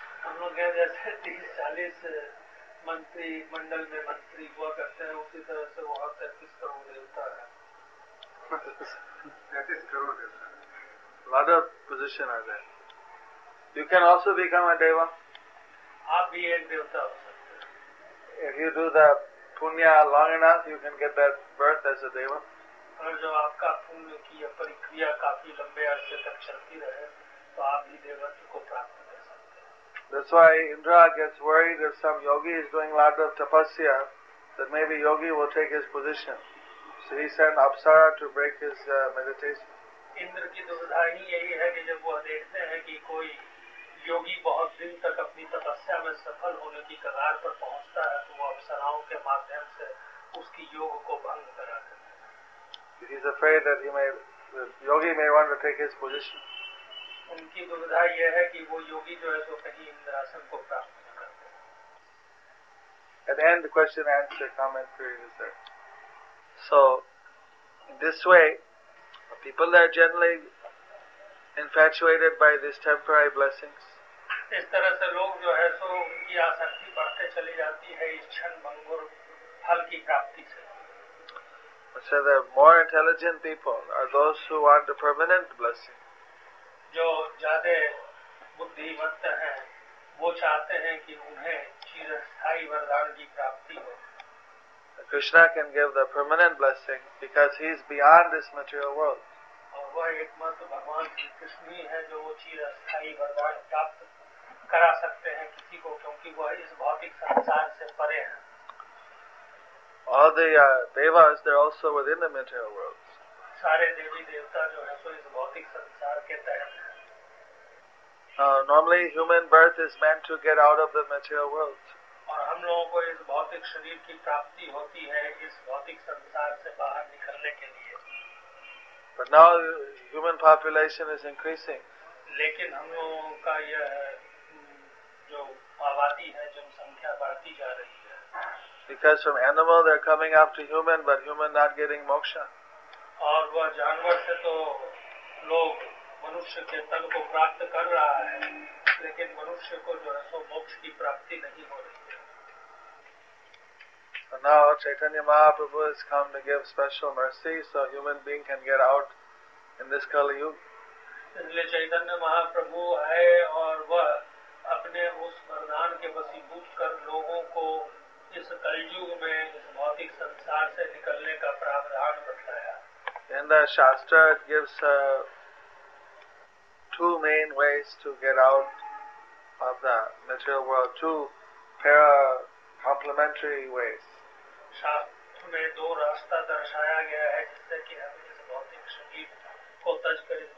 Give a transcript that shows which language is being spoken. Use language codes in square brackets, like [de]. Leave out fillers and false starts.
[hi] हम लोग हैं जैसे 30-40 मंत्री मंडल में मंत्री हुआ करते हैं उसी तरह से वहाँ 33 करोड़ देवता हैं. 33 करोड़ देवता. [en] Lot of position are there. You can also become a deva. [hi] आप भी एक देवता हो सकते हैं. [en] If you do the punya long enough, you can get that birth as a deva. [hi] और जब आपका पुण्य की यह प्रक्रिया काफी लंबे अरसे तक चलती रहे तो आप भी देवत्व को प्राप्त कर सकते हैं. [en] That's why Indra gets worried if some yogi is doing lot of tapasya, that maybe yogi will take his position. So he sent Apsara to break his meditation. [hi] Indra की दुविधा ही यही है कि जब वह देखते हैं कि कोई योगी बहुत दिन तक अपनी तपस्या में सफल होने की कगार पर पहुंचता है तो वो अप्सराओं के माध्यम से उसकी योग को भंग करा देते. [en] He is afraid that he may, the yogi may want to take his position. [hi] उनकी दुविधा यह है कि वो योगी जो है तो कहीं इंद्रासन को प्राप्त न कर दे. [en] At the end, the question answer comment period is there. So, in this way, people are generally infatuated by these temporary blessings. [hi] इस तरह से लोग जो है सो उनकी आसक्ति बढ़ते चली जाती है इस क्षण भंगुर फल की प्राप्ति से. [en] So the more intelligent people are those who want the permanent blessing. [hi] जो ज्यादा बुद्धिमत्त हैं वो चाहते हैं कि उन्हें चिरस्थायी वरदान की प्राप्ति हो. [en] Krishna can give the permanent blessing because he is beyond this material world. [hi] वह एकमात्र भगवान श्री कृष्ण ही है जो वो चीज अस्थायी वरदान प्राप्त करा सकते हैं किसी को क्योंकि वह इस भौतिक संसार से परे हैं. [en] All the devas, they're also within the material world. [hi] सारे देवी देवता जो है सो इस भौतिक संसार के तहत हैं. [en] Normally human birth is meant to get out of the material world. [hi] और हम लोगों को इस भौतिक शरीर की प्राप्ति होती है इस भौतिक संसार से बाहर निकलने के लिए. [en] But now human population is increasing. [hi] लेकिन हम लोगों का यह जो आबादी है जनसंख्या बढ़ती जा रही है. [en] Because from animal they're coming up to human, but human not getting moksha. So now Chaitanya Mahaprabhu has come to give special mercy so human being can get out in this Kali Yuga. [hi] इसलिए चैतन्य महाप्रभु आए और वह अपने उस वरदान के वसीभूत कर लोगों को इस कलयुग में इस भौतिक संसार से निकलने का प्रावधान बताया. [en] In the shastra it gives two main ways to get out of the material world, two para complementary ways. [hi] शास्त्र में दो रास्ता दर्शाया गया है जिससे कि हम इस भौतिक शरीर